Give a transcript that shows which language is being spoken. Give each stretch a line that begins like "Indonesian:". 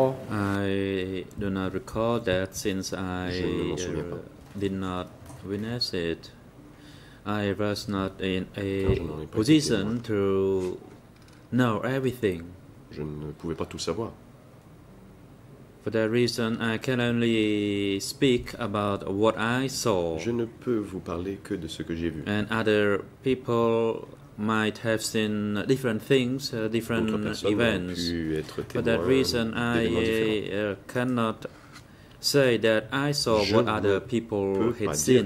English: I do not recall that since I did not witness it. I was not in a position to know everything.
French: Je ne pouvais pas tout savoir.
English: For that reason, I can only speak about what I saw.
French: Je ne peux vous parler que de ce que j'ai vu.
English: And other people might have seen different things, different events. For that reason, I cannot say that I saw what other people had seen.